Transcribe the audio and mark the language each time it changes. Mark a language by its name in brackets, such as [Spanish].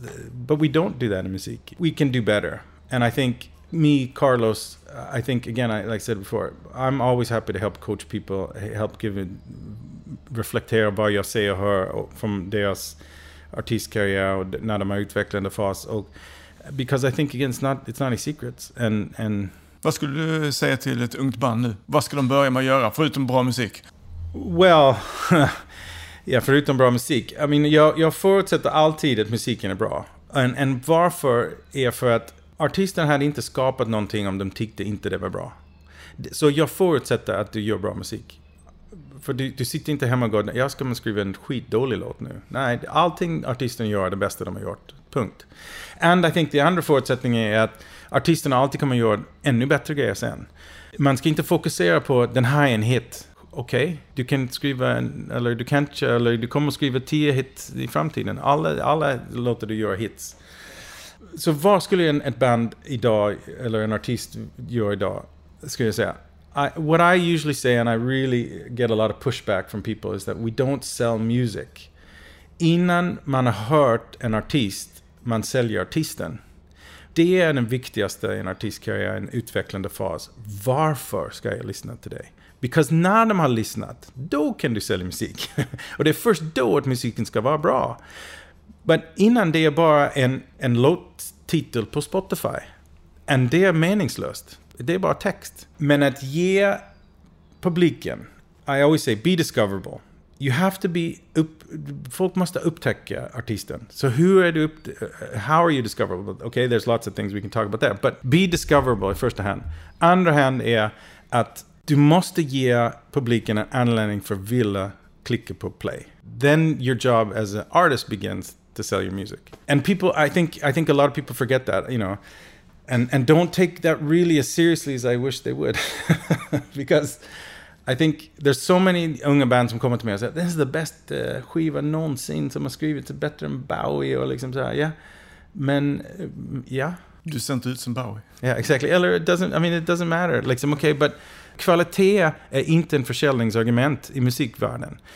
[English] But we don't do that in music. We can do better. And I think me, Carlos, I think again, like I said before, I'm always happy to help coach people, help give it, [Swedish] reflektera vad jag ser och hör från deras artistkarriär och när de har utvecklande fas. [English] Because I think again, it's not any secrets. And [Swedish] vad skulle du säga till ett ungt band nu? Vad ska de börja med att göra förutom bra musik? [English] Well, yeah, [Swedish] förutom bra musik. [English] I mean, [Swedish] jag förutsätter alltid att musiken är bra. And varför är för att artisten hade inte skapat någonting om de tyckte inte det var bra. Så jag förutsätter att du gör bra musik. För du sitter inte hemma och går, jag ska skriva en skitdålig låt nu. Nej, allting artisten gör är det bästa de har gjort. Punkt. [English] And I think the [Swedish] andra förutsättningen är att artisterna alltid kommer att göra ännu bättre grejer sen. Man ska inte fokusera på den här en hit. Okej, okay, du kan skriva du kommer att skriva 10 hits i framtiden. Alla låter du göra hits. Så vad skulle ett band idag eller en artist göra idag, skulle jag säga? [English] What I usually say, and I really get a lot of pushback from people, is that we don't sell music. [Swedish] Innan man har hört en artist, man säljer artisten. Det är den viktigaste i en artistkarriär, en utvecklande fas. Varför ska jag lyssna till dig? Because när de har lyssnat, då kan du sälja musik. Och det är först då att musiken ska vara bra. Men innan det är bara en låttitel på Spotify. Och det är meningslöst. Det är bara text. Men att ge publiken, [English] I always say, be discoverable. You have to be [Swedish] folk måste upptäcka artisten. [English] So how are you discoverable? Okay, there's lots of things we can talk about there, but be discoverable first hand. [Swedish] Andra hand är att du måste ge publiken en anledning för att vilja klicka på play. [English] Then your job as an artist begins to sell your music. And people, I think a lot of people forget that, you know. And don't take that really as seriously as I wish they would. Because I think there's so many [Swedish] unga band som kommer till mig och säger [English] this is the best [Swedish] skiva någonsin som har skrivits, bättre än Bowie och liksom så här, yeah. Men ja, du ser inte ut som Bowie. [English] Yeah, exactly. Eller it doesn't matter. Like, okay, but [Swedish] kvalitet är inte en försäljningsargument i musikvärlden.